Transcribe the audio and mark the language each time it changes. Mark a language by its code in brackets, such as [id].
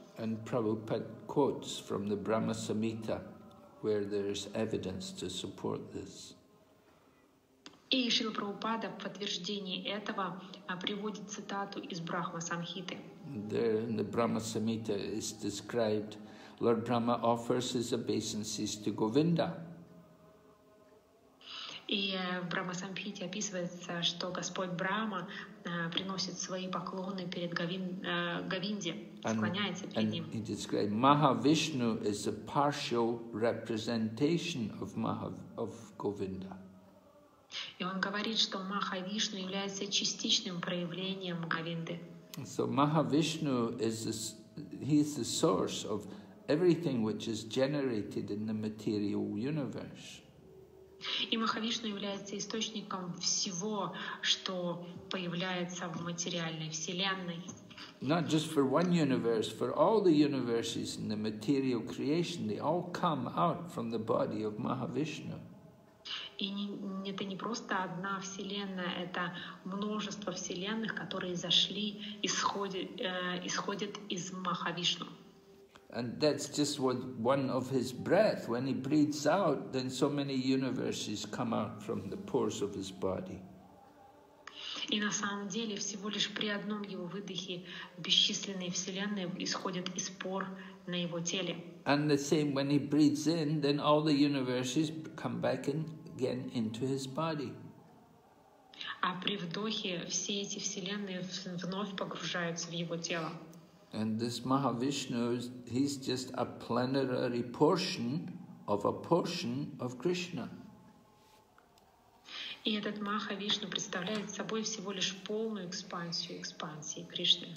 [en] And Prabhupada quotes from the Brahma Samhita, where there's evidence to support this. [ru] И Шрила Прабхупада в подтверждении этого приводит цитату из Брахма Самхиты. [en] There in the Brahma Samhita is described, Lord Brahma offers his obeisances to Govinda. [ru] И в Брахма Самхите описывается, что Господь Брахма приносит свои поклоны перед Говинде, склоняется перед ним. [en] And he described Mahavishnu is a partial representation of Govinda. [ru] И он говорит, что Махавишну является частичным проявлением Говинды. [en] So Mahavishnu is he is the source of everything which is generated in the material universe. [ru] И Махавишну является источником всего, что появляется в материальной вселенной. [en] Not just for one universe, for all the universes in the material creation, they all come out from the body of Mahavishnu. [ru] И не, это не просто одна вселенная, это множество вселенных, которые зашли, исходят из Махавишну. [en] And that's just what one of his breath. When he breathes out, then so many universes come out from the pores of his body. [ru] И на самом деле всего лишь при одном его выдохе бесчисленные вселенные исходят из пор на его теле. [en] And the same when he breathes in, then all the universes come back in again into his body. [ru] А при вдохе все эти вселенные вновь погружаются в его тело. [en] And this Mahavishnu, he's just a plenary portion of a portion of Krishna. [ru] И этот Махавишну представляет собой всего лишь полную экспансию экспансии Кришны.